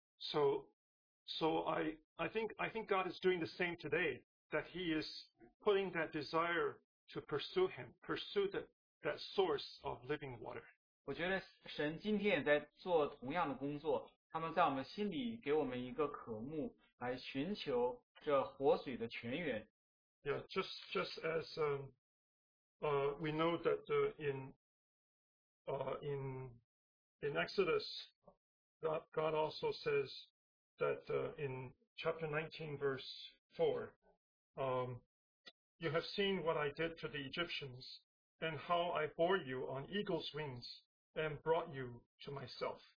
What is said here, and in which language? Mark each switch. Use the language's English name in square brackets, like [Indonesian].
[English] God is doing the same today, that He is putting that desire to pursue Him, pursue that source of living water. [Chinese] 我觉得神今天也在做同样的工作，他们在我们心里给我们一个渴慕，来寻求这活水的泉源。 [English] Yeah, just as we know that in Exodus, God also says that in chapter 19, verse 4, you have seen what I did to the Egyptians and how I bore you on eagle's wings and brought you to myself.